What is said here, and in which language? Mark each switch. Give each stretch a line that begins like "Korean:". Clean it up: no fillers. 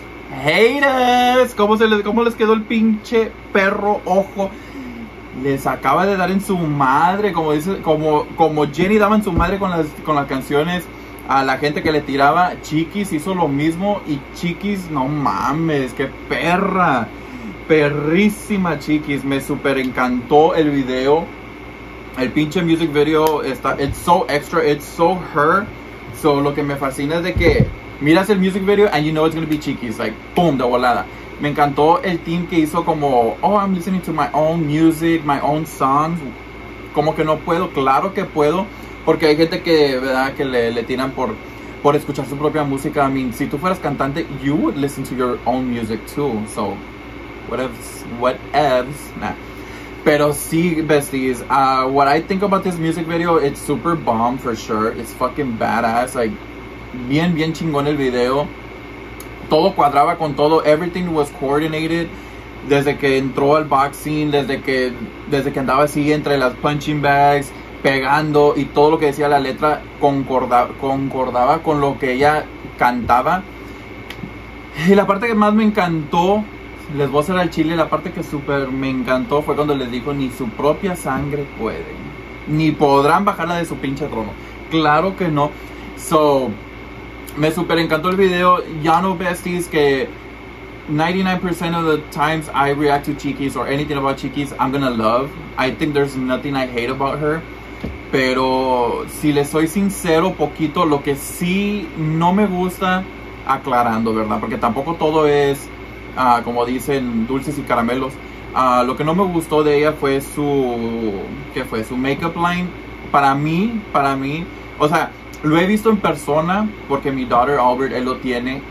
Spanish: Haters, ¿cómo les quedó el pinche perro ojo? Les acaba de dar en su madre, como dice, como Jenny daba en su madre con las canciones a la gente que le tiraba. Chiquis hizo lo mismo y Chiquis, no mames, qué perra. Perrísima Chiquis, me super encantó el video. El pinche
English: music video
Spanish: está,
English: it's so extra, it's so her.
Spanish: So lo que me fascina es de que miras el music video
English: and you know it's gonna be Chiquis, like boom,
Spanish: de volada. Me encantó el
English: team
Spanish: que hizo como,
English: oh, I'm listening to my own music, my own songs.
Spanish: Como que no puedo, claro que puedo, porque hay gente que, verdad, que le tiran por escuchar su propia música.
English: I mean,
Spanish: si tú fueras cantante,
English: you would listen to your own music too. So what ifs, nah.
Spanish: Pero sí,
English: besties, what I think about this music video, it's super bomb for sure. It's fucking badass, like,
Spanish: bien, bien chingón el video. Todo cuadraba con todo,
English: everything was coordinated.
Spanish: Desde que entró al boxing, desde que andaba así entre las punching bags, pegando, y todo lo que decía la letra concordaba con lo que ella cantaba. Y la parte que más me encantó, les voy a hacer al chile, la parte que super me encantó fue cuando les dijo, ni su propia sangre pueden, ni podrán bajarla de su pinche trono. Claro que no. So, me super encantó el video. Ya no,
English: besties, que 99% of the times I react to Chiquis or anything about Chiquis, I'm gonna love. I think there's nothing I hate about her.
Spanish: Pero, si les soy sincero, poquito, lo que sí no me gusta, aclarando, ¿verdad? Porque tampoco todo es... como dicen, dulces y caramelos. Lo que no me gustó de ella fue su... ¿qué fue? Su makeup line. Para mí... O sea, lo he visto en persona, porque mi daughter Albert, él lo tiene.